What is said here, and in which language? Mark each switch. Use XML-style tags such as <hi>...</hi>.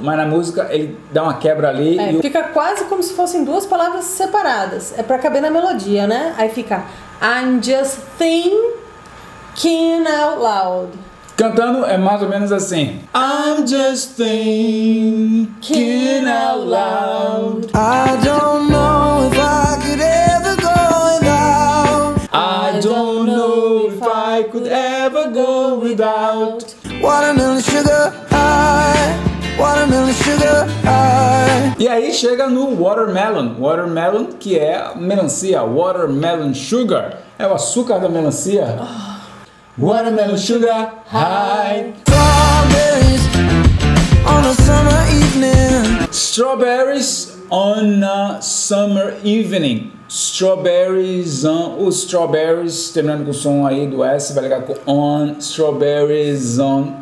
<pt>Mas na música ele dá uma quebra ali. É, e fica quase como se fossem duas palavras separadas. É pra caber na melodia, né? Aí fica</pt> <en>I'm just thinking out loud.</en> <pt>Cantando é mais ou menos assim.</pt> <en>I'm just thinking out loud. I don't know if I could ever go without. I don't know if I could ever go without. Watermelon sugar high. Watermelon sugar high.</en> <pt>E aí chega no watermelon. Watermelon, que é melancia. Watermelon sugar é o açúcar da melancia.</pt> <en>Watermelon sugar high. Strawberries on a summer evening. Strawberries on a summer evening. Strawberries on,</en> <pt>os strawberries, terminando com o som aí do S, vai ligar com on, strawberries on.</pt>